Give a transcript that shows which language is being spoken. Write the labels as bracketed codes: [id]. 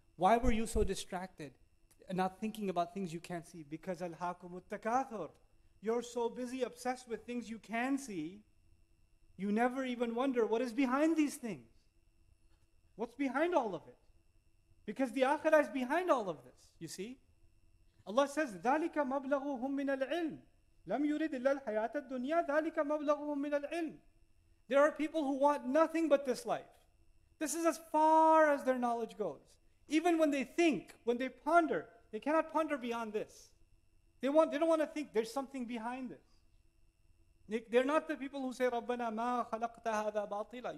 [en] Why were you so distracted and not thinking about things you can't see? Because [ar] al-haqumut takathur. [en] You're so busy, obsessed with things you can see, you never even wonder what is behind these things. What's behind all of it? Because the akhirah is behind all of this, you see? Allah says, [ar] ذَلِكَ مَبْلَغُهُمْ مِنَ الْعِلْمِ لَمْ يُرِدِ إِلَّا الْحَيَاةَ الدُّنْيَا ذَلِكَ مَبْلَغُهُمْ مِنَ الْعِلْمِ. [en] There are people who want nothing but this life. This is as far as their knowledge goes. Even when they think, when they ponder, they cannot ponder beyond this. They don't want to think there's something behind this. They're not the people who say, [ar] رَبَّنَا مَا خَلَقْتَ هَذَا بَاطِلًا.